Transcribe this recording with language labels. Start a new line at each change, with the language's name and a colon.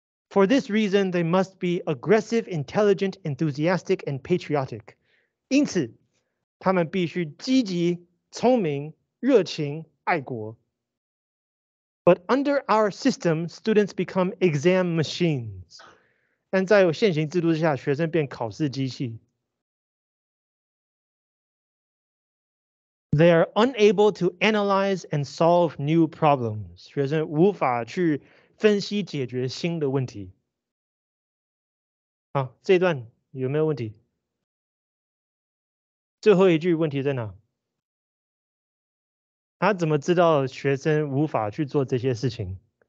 English: For this reason, they must be aggressive, intelligent, enthusiastic, and patriotic.
Chinese: 因此，他们必须积极、聪明、热情、爱国。
English: But under our system, students become exam machines.
Chinese: 但在现行制度之下，学生变考试机器。
English: They are unable to analyze and solve new problems.
Chinese: 学生无法去分析解决新的问题。好，这一段有没有问题？最后一句问题在哪？他怎么知道学生无法去做这些事情？